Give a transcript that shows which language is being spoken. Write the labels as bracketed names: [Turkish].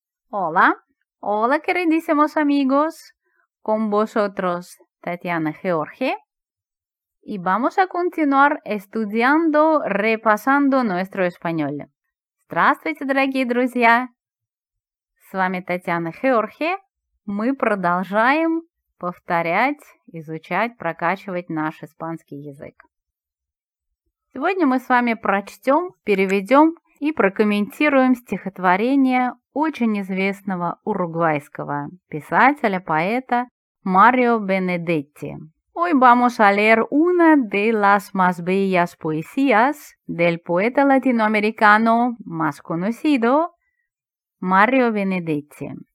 [Spanish] Hola, hola queridísimos amigos, con vosotros Tatiana Jorge y vamos a continuar estudiando, repasando nuestro español. [Russian] Здравствуйте, дорогие друзья! С вами Татьяна Георгия. Мы продолжаем повторять, изучать, прокачивать наш испанский язык. Сегодня мы с вами прочтем, переведем и прокомментируем стихотворение очень известного уругвайского писателя, поэта Марио Бенедетти. [Spanish] Hoy vamos a leer una de las más bellas poesías del poeta latinoamericano más conocido, Mario Benedetti.